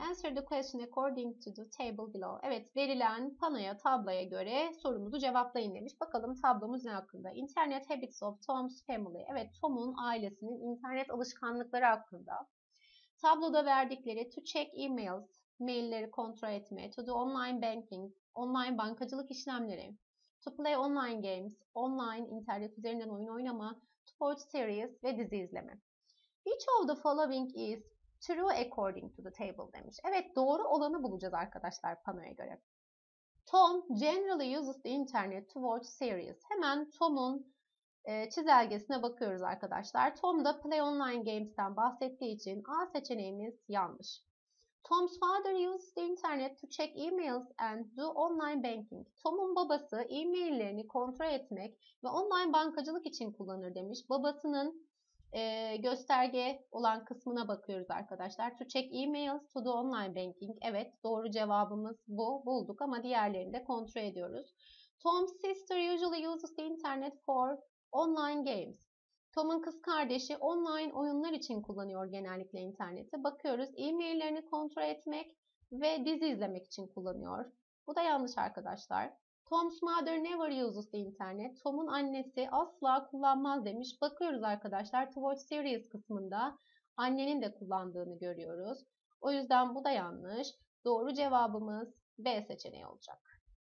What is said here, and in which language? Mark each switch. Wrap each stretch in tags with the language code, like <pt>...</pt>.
<en>Answer the question according to the table below.</en> <tr>Evet, verilen panoya, tabloya göre sorumuzu cevaplayın demiş. Bakalım tablomuz ne hakkında?</tr> <en>Internet habits of Tom's family.</en> <tr>Evet, Tom'un ailesinin internet alışkanlıkları hakkında. Tabloda verdikleri</tr> <en>to check emails,</en> <tr>mailleri kontrol etme,</tr> <en>to do online banking,</en> <tr>online bankacılık işlemleri,</tr> <en>to play online games,</en> <tr>online internet üzerinden oyun oynama,</tr> <en>sports series</en> <tr>ve dizi izleme.</tr> <en>Which of the following is true according to the table</en> <tr>demiş. Evet, doğru olanı bulacağız arkadaşlar panoya göre.</tr> <en>Tom generally uses the internet to watch series.</en> <tr>Hemen Tom'un çizelgesine bakıyoruz arkadaşlar. Tom da</tr> <en>play online games'ten</en> <tr>bahsettiği için A seçeneğimiz yanlış.</tr> <en>Tom's father uses the internet to check emails and do online banking.</en> <tr>Tom'un babası e-maillerini kontrol etmek ve online bankacılık için kullanır demiş. Babasının gösterge olan kısmına bakıyoruz arkadaşlar.</tr> <en>To check emails, to do online banking.</en> <tr>Evet, doğru cevabımız bu. Bulduk ama diğerlerini de kontrol ediyoruz.</tr> <en>Tom's sister usually uses the internet for online games.</en> <tr>Tom'un kız kardeşi online oyunlar için kullanıyor genellikle interneti. Bakıyoruz, e-maillerini kontrol etmek ve dizi izlemek için kullanıyor. Bu da yanlış arkadaşlar.</tr> <en>Tom's mother never uses the internet.</en> <tr>Tom'un annesi asla kullanmaz demiş. Bakıyoruz arkadaşlar,</tr> <en>to watch series</en> <tr>kısmında annenin de kullandığını görüyoruz. O yüzden bu da yanlış. Doğru cevabımız B seçeneği olacak.</tr>